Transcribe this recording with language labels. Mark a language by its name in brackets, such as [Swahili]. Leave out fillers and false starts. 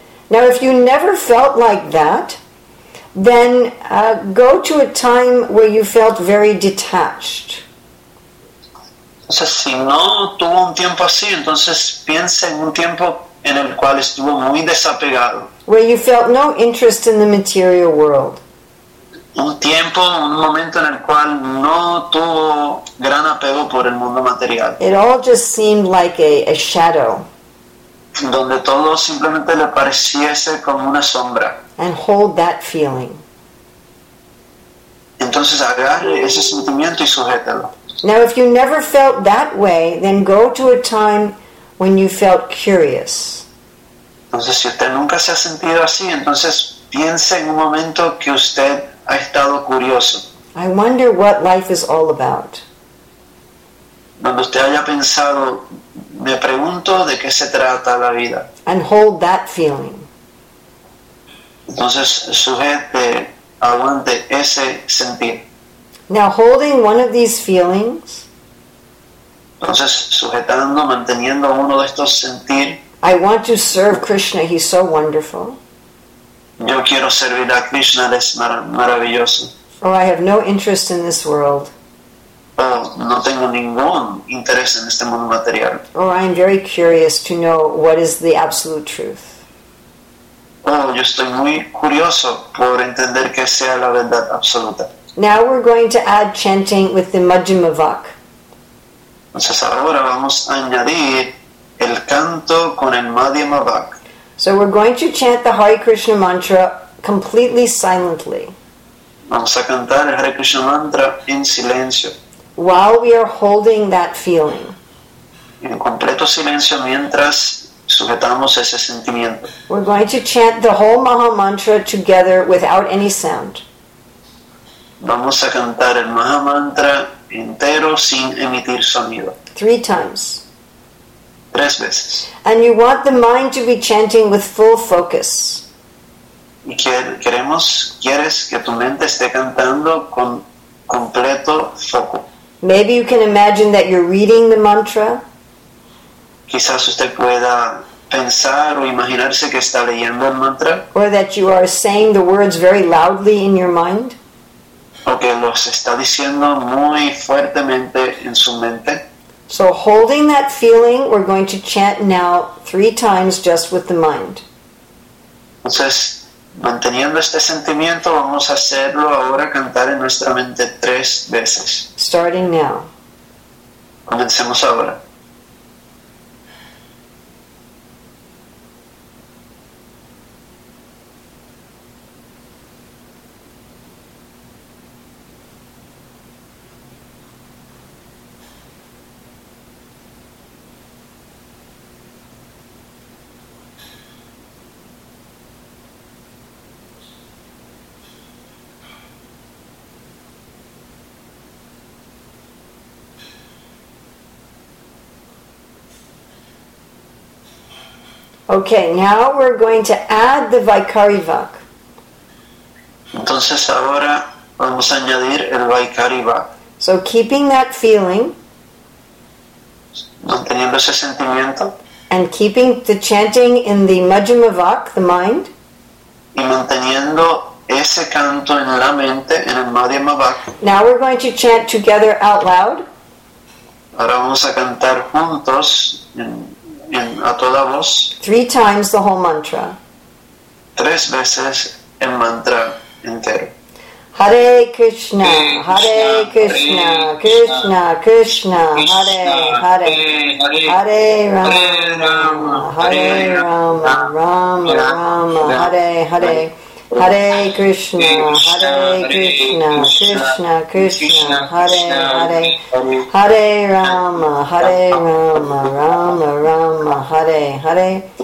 [English] Now, if you never felt like that, then go to a time where you felt very detached. [Spanish] O sea, si no tuvo un tiempo así, entonces piense en un tiempo en el cual estuvo muy desapegado. [English] Where you felt no interest in the material world. [Spanish] Un tiempo, un momento en el cual no tuvo gran apego por el mundo material. [English] It all just seemed like a shadow. [Spanish] Donde todo simplemente le pareciese como una sombra. [English] And hold that feeling. [Spanish] Entonces agarre ese sentimiento y sujételo. [English] Now, if you never felt that way, then go to a time when you felt curious. [Spanish] Entonces, si usted nunca se ha sentido así, entonces piense en un momento que usted ha estado curioso. [English] I wonder what life is all about. [Spanish] Cuando usted haya pensado, me pregunto de qué se trata la vida. [English] And hold that feeling. [Spanish] Entonces, sujete, aguante ese sentir. [English] Now, holding one of these feelings, [Spanish] entonces, sujetando, manteniendo uno de estos sentir, [English] I want to serve Krishna, he's so wonderful. [Spanish] Yo quiero servir a Krishna, es maravilloso. [English] Oh, I have no interest in this world. [Spanish] Oh, no tengo ningún interés en este mundo material. [English] Oh, I am very curious to know what is the absolute truth. [Spanish] Oh, yo estoy muy curioso por entender qué sea la verdad absoluta. [English] Now we're going to add chanting with the Majjhima Vak. [Spanish] Entonces ahora vamos a añadir el canto con el Madhyama Vak. [English] So we're going to chant the Hare Krishna mantra completely silently. [Spanish] Vamos a cantar el Hare Krishna mantra en silencio. [English] While we are holding that feeling. [Spanish] En completo silencio mientras sujetamos ese sentimiento. [English] We're going to chant the whole Maha mantra together without any sound. [Spanish] Vamos a cantar el Maha mantra entero sin emitir sonido. [English] Three times. [Spanish] Tres veces. [English] And you want the mind to be chanting with full focus. [Spanish] Y quieres que tu mente esté cantando con completo foco. [English] Maybe you can imagine that you're reading the mantra. [Spanish] Quizás usted pueda pensar o imaginarse que está leyendo el mantra. [English] Or that you are saying the words very loudly in your mind. [Spanish] O que los está diciendo muy fuertemente en su mente. [English] So holding that feeling, we're going to chant now three times just with the mind. [Spanish] Entonces, manteniendo este sentimiento, vamos a hacerlo ahora, cantar en nuestra mente tres veces. [English] Starting now. [Spanish] Comencemos ahora. [English] Okay, now we're going to add the Vaikari Vak. [Spanish] Entonces ahora vamos a añadir el Vaikari Vak. [English] So keeping that feeling, [Spanish] manteniendo ese sentimiento, [English] and keeping the chanting in the Majjhima Vak, the mind, [Spanish] y manteniendo ese canto en la mente, en el Madhyama Vak. [English] Now we're going to chant together out loud. [Spanish] Ahora vamos a cantar juntos a toda voz. [English] Three times the whole mantra. [Spanish] Tres veces el mantra entero. [Sanskrit] Hare Krishna, Hare Krishna, Krishna Krishna, Hare Hare, Hare Rama, Hare Rama, Rama Rama, Hare Hare, Hare Krishna, Hare Krishna, Krishna Krishna, Hare Hare, Hare Rama, Hare Rama, Rama Rama, Hare Hare,